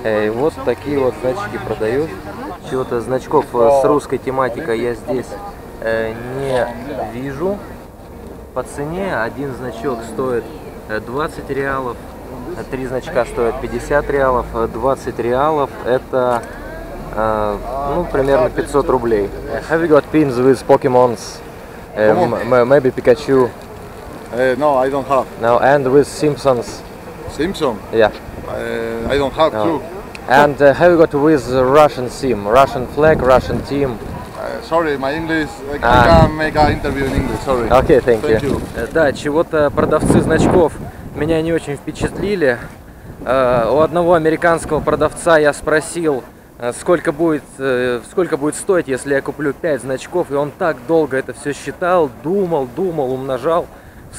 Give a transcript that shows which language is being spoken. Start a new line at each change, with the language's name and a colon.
Russian: Вот такие вот значки продают. Чего-то значков с русской тематикой я здесь не вижу. По цене один значок стоит 20 реалов, 3 значка стоят 50 реалов, 20 реалов это ну, примерно 500 рублей.
English: Have you got pins with Pokemons? Maybe Pikachu? No, I don't have. No, and with Simpsons? Simpson? Yeah. I don't have, no. Too. And have you got with Russian team? Russian flag, Russian team? Sorry, my English. I can't make an interview in English, sorry. Okay, thank you.
Russian: Да, чего-то продавцы значков меня не очень впечатлили. У одного американского продавца я спросил, сколько будет стоить, если я куплю 5 значков. И он так долго это все считал, думал, умножал. В